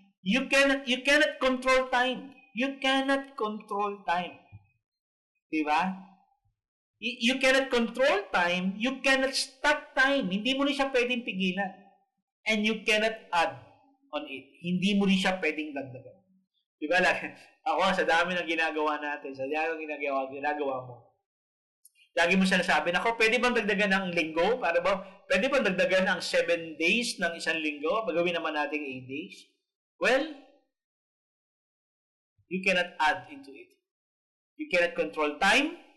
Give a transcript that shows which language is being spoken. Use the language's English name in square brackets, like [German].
[English] You cannot control time. You cannot control time. Diba? You cannot control time. You cannot stop time. [Filipino] Hindi mo rin siya pwedeng pigilan. [English] And you cannot add on it. [Filipino] Hindi mo rin siya pwedeng dagdagan. Diba lang? Ako, sa dami ng ginagawa natin, sa dami ng ginagawa mo, lagi mo sinasabi, ako, pwede bang dagdagan ng linggo? Para ba? Pwede bang dagdagan ng 7 days ng isang linggo? Magawin naman natin 8 days? [English] Well, you cannot add into it. You cannot control time.